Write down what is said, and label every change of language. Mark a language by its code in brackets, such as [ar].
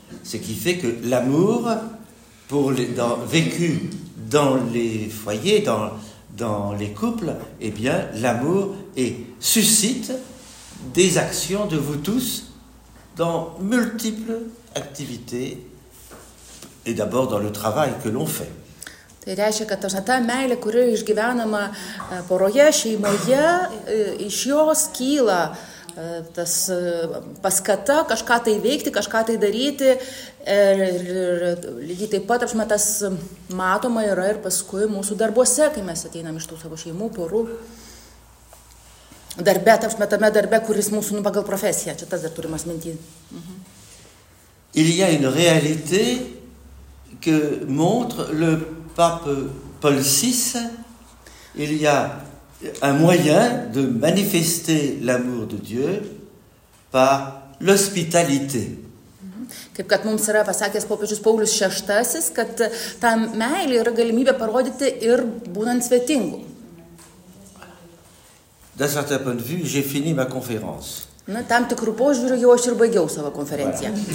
[fr] Ce qui fait que l'amour pour les, dans, vécu dans les foyers, dans les couples, eh bien, l'amour est, suscite des actions de vous tous dans multiples activités et d'abord dans le travail que l'on fait. [lt] Tai reiškia, kad ta meilė, kuri išgyvenama poroje, šeimoje, iš jos kyla tas paskata kažką tai veikti, kažką tai daryti. Ir lygiai taip pat, tas matoma yra ir paskui mūsų darbuose, kai mes ateinam iš tų savo šeimų, porų. Darbe, tame darbe, kuris mūsų pagal profesiją. Čia tas dar turimas mintį. [fr] Il y a une réalité que montre le pape Paul VI, il y a un moyen de manifester l'amour de Dieu par l'hospitalité. [lt] Kaip kad mums yra pasakęs popiežius Paulius VI, kad ta meilė yra galimybė parodyti ir būnant svetingu. [fr] D'un certain point de vue, j'ai fini ma conférence. [lt] Na, tam tikrų požiūrių jau aš ir baigiau savo konferenciją.